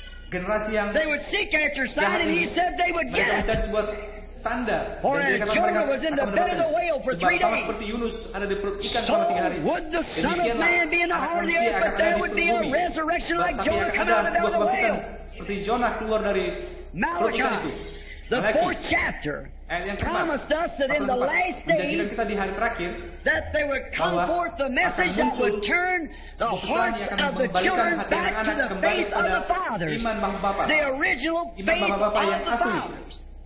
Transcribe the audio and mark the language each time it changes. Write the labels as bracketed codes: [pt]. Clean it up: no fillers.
[id] Generasi yang [en] they would seek after a sign, and he said they would get it. [id] Tanda. [en] For [id] dan dia kata [en] Jonah was in the belly of the whale for three days. [id] Sama seperti Yunus ada di perut ikan selama 3 hari. [en] So would the Son of Man be in the heart of the earth, but there would be a resurrection like Jonah coming out of the belly of the whale. [id] Tapi ada sebuah kebangkitan seperti Jonah keluar dari perut ikan itu. [en] The fourth chapter promised us that in the last days that there would come forth the message that would turn the hearts of the children back to the faith of the fathers. The original faith of the fathers.